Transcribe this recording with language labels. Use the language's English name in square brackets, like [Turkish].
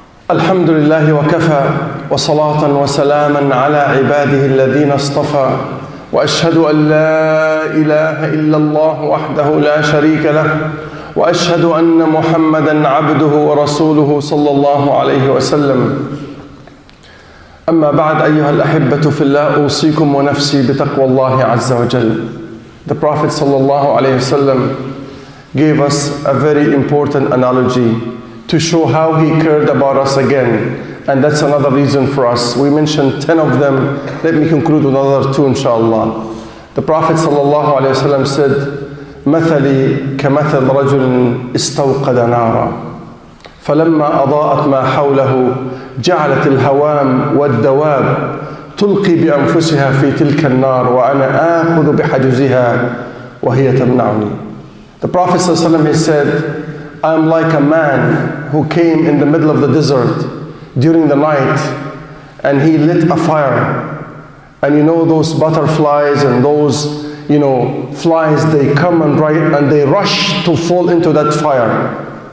[Arabic] الحمد لله وكفى وصلاة وسلاما على عباده الذين اصطفى وأشهد أن لا إله إلا الله وحده لا شريك له وأشهد أن محمدا عبده ورسوله صلى الله عليه وسلم. أما بعد أيها الأحبة في الله, أوصيكم ونفسي بتقوى الله عز وجل. [English] The Prophet صلى الله عليه وسلم gave us a very important analogy to show how he cared about us again. And that's another reason for us. We mentioned 10 of them. Let me conclude another two, inshallah. The Prophet sallallahu alayhi wa sallam said, [Arabic] مَثَلِي كَمَثَلْ رَجُلٍ إِسْتَوْقَدَ نَارًا فَلَمَّا أَضَاءَتْ مَا حَوْلَهُ جَعَلَتِ الْهَوَامِ وَالدَّوَابِ تُلْقِي بِأَنفُسِهَا فِي تِلْكَ النَّارِ وَأَنَا آخُذُ بِحَجُزِهَا وَهِيَ تَمْنَعُنِي. [English] The Prophet sallallahu alayhi wa sallam, he said, I'm like a man who came in the middle of the desert during the night and he lit a fire. And you know those butterflies and those, you know, flies, they come and write and they rush to fall into that fire.